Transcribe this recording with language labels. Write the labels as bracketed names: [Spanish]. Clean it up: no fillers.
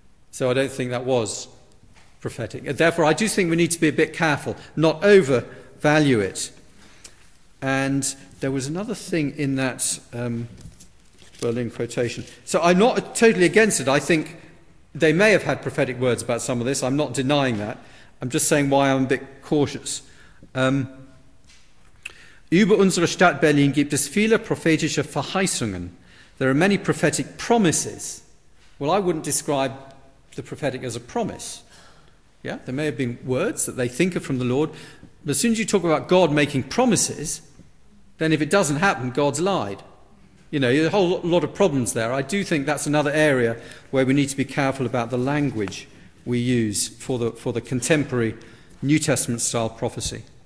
[English] So I don't think that was prophetic. Therefore, I do think we need to be a bit careful, not overvalue it. And there was another thing in that Berlin quotation. So I'm not totally against it. I think they may have had prophetic words about some of this. I'm not denying that. I'm just saying why I'm a bit cautious. [German] Über unsere Stadt Berlin gibt es viele prophetische Verheißungen. [English] There are many prophetic promises. Well, I wouldn't describe the prophetic as a promise. Yeah, there may have been words that they think are from the Lord. But as soon as you talk about God making promises, then if it doesn't happen, God's lied. You know, there's a whole lot of problems there. I do think that's another area where we need to be careful about the language we use for the contemporary New Testament style prophecy.